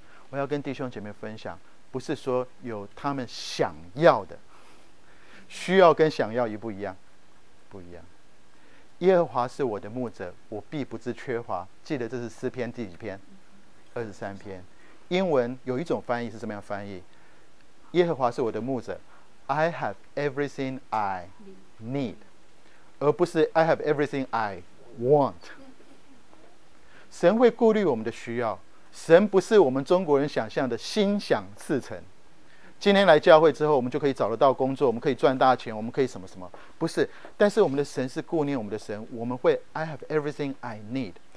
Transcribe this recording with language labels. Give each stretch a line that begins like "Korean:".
Chinese: 我要跟弟兄姐妹分享，不是说有他们想要的，需要跟想要一不一样？不一样。耶和华是我的牧者，我必不致缺乏。记得这是诗篇第几篇？23篇。英文有一种翻译是怎么样翻译？耶和华是我的牧者，
English: I have everything I need，
Chinese: 而不是
English: I have everything I want。
Chinese: 神会顾虑我们的需要，神不是我们中国人想象的心想事成，今天来教会之后我们就可以找得到工作，我们可以赚大钱，我们可以什么什么，不是。但是我们的神是顾念我们的神，我们会
English: I have everything I need。